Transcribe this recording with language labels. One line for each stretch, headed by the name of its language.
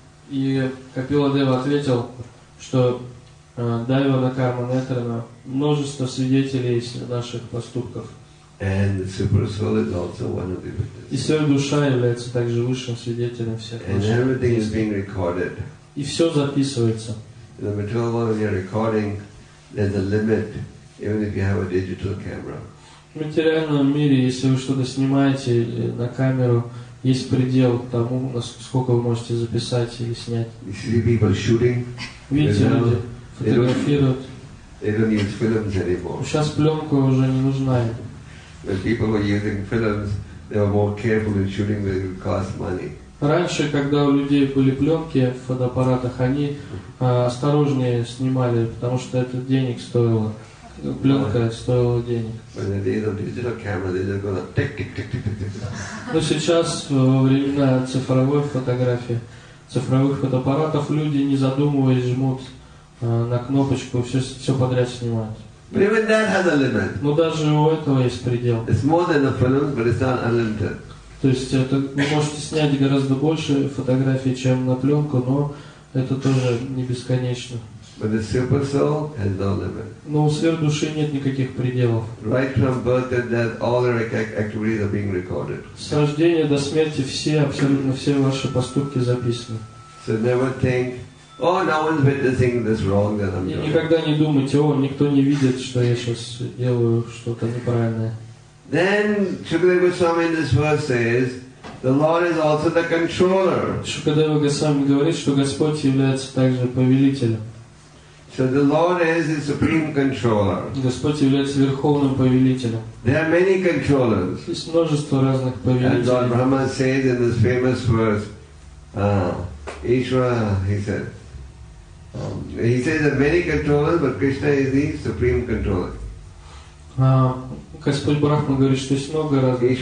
Russian: И Капила Дева ответил, что Дайвана Карма Нетрана множество свидетелей наших поступков.
English: And the super soul is also one of the witnesses.
Russian: И Святая Душа является также высшим свидетелем всех наших действий.
English: And everything is being recorded.
Russian: И все записывается.
English: In the material world, when you're recording, there's a limit, even if you have a digital camera.
Russian: В материальном мире, если вы что-то снимаете на камеру, есть предел тому, сколько вы можете записать или снять.
English: You see people shooting.
Russian: Видите, люди фотографируют.
English: They don't use films anymore.
Russian: Сейчас пленка уже не нужна.
English: When people were using films, they were more careful in shooting because it cost money.
Russian: Раньше, когда у людей были пленки в фотоаппаратах, они осторожнее снимали, потому что это денег стоило. Пленка стоила денег. Но сейчас, во времена цифровой фотографии, цифровых фотоаппаратов, люди, не задумываясь, жмут на кнопочку и все подряд снимают. Но даже у этого есть предел. То есть вы можете снять гораздо больше фотографий, чем на пленку, но это тоже не бесконечно.
English: But the simple soul has no limit.
Russian: Но у сверх души нет никаких пределов.
English: Right from birth and death, all your activities are being recorded.
Russian: С рождения до смерти все абсолютно все ваши поступки записаны.
English: So never think, oh, no one's witnessing this wrong that I'm doing.
Russian: Никогда не думайте, о, никто не видит, что я сейчас делаю что-то неправильное.
English: Then Shukadeva Goswami in this verse says, the Lord is also the controller.
Russian: Shukadeva Goswami говорит, что Господь является также повелителем.
English: So the Lord is the supreme controller.
Russian: Господь является верховным повелителем.
English: There are many controllers.
Russian: Есть множество разных повелителей.
English: And Lord Brahma says in this famous verse, Ishvara, he said, he says there are many controllers, but Krishna is the supreme controller.
Russian: Господь Брахма говорит, что есть много разных